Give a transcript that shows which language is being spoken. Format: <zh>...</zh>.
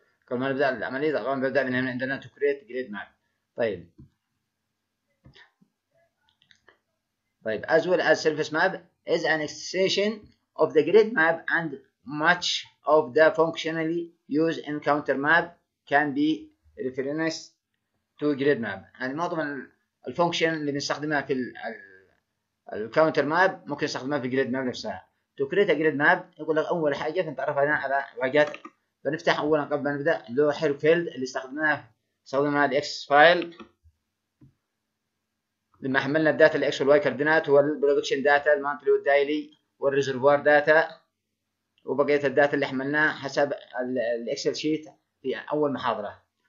<ar>قبل ما نبدا العمليه طبعا بنبدا من هنا، عندنا</ar> <en>To create grid map. طيب as well as surface map is an extension of the grid map and much of the functionally used in counter map can be referenced to grid map.</en> <ar>يعني معظم الفونكشن اللي بنستخدمها في الكاونتر ماب ممكن نستخدمها في جريد ماب نفسها.</ar> <en>to create grid map</en> <ar>يقول لك اول حاجه نتعرف هنا على واجهات، بنفتح اولا قبل ما نبدا لوحه الفيلد اللي استخدمناها الاكس فايل لما حملنا الداتا الاكس والواي كاردينات والبرودكشن داتا المانتلي والدايلي والريزرفوار داتا وبقيه الداتا اللي حملناها حسب الاكسل شيت في اول محاضره.</ar>